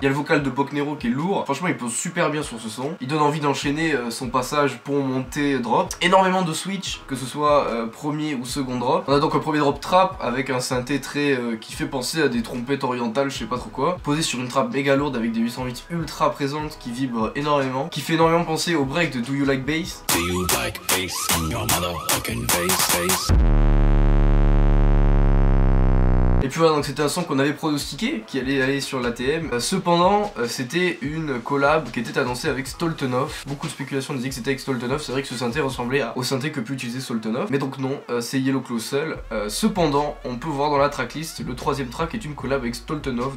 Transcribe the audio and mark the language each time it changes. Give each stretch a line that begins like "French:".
French: Il y a le vocal de Pocnero qui est lourd, franchement il pose super bien sur ce son. Il donne envie d'enchaîner son passage pont, montée, drop. Énormément de switch, que ce soit premier ou second drop. On a donc un premier drop trap avec un synthé très qui fait penser à des trompettes orientales, je sais pas trop quoi. Posé sur une trap méga lourde avec des 808 ultra présentes qui vibrent énormément. Qui fait énormément penser au break de Do You Like Bass.
English: Do you like bass on your motherfucking bass, bass.
French: Et puis voilà, donc c'était un son qu'on avait pronostiqué, qui allait aller sur l'ATM. Cependant, c'était une collab qui était annoncée avec Stoltenhoff. Beaucoup de spéculations disaient que c'était avec Stoltenhoff. C'est vrai que ce synthé ressemblait au synthé que peut utiliser Stoltenhoff. Mais donc non, c'est Yellow Claw seul. Cependant, on peut voir dans la tracklist, le troisième track est une collab avec Stoltenhoff.